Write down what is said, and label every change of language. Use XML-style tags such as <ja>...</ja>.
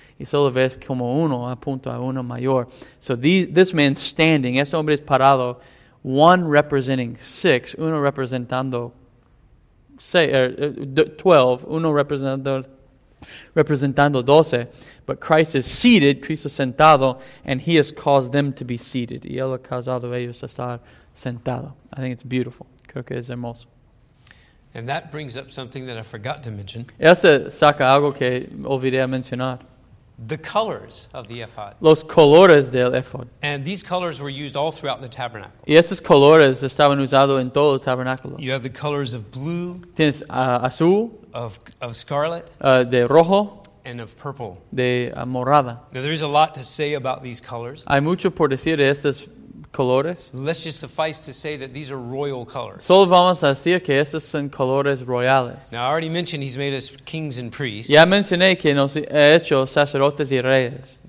<es>Y solo ves como uno apunta a uno mayor.</es> <en>So this man standing,</en> <es>este hombre es parado,</es> <en>one representing six,</en> <es>uno representando 12, uno representando 12,</es> <en>but Christ is seated,</en> <es>Cristo sentado,</es> <en>and he has caused them to be seated.</en> <es>Y él ha causado ellos a estar sentado.</es> <en>I think it's beautiful.</en> <es>Creo que es hermoso.</es> <en>And that brings up something that I forgot to mention.</en> <es>Eso saca algo que olvidé mencionar.</es> <en>The colors of the ephod.</en> <es>Los colores del ephod.</es> <en>And these colors were used all throughout the tabernacle.</en> <es>Y esos colores estaban usados en todo el tabernáculo.</es> <en>You have the colors of blue.</en> <es>Tienes azul.</es> <en>Of scarlet.</en> <es>De rojo.</es> <en>And of purple.</en> <es>De morada.</es> <en>Now there is a lot to say about these colors.</en> <es>Hay mucho por decir de estos colores.</es> <en>Let's just suffice to say that these are royal colors.</en> <es>Solo vamos a decir que estos son colores royales.</es> <en>Now, I already mentioned he's made us kings and priests.</en> <es>Ya mencioné que nos ha hecho sacerdotes y reyes.</es>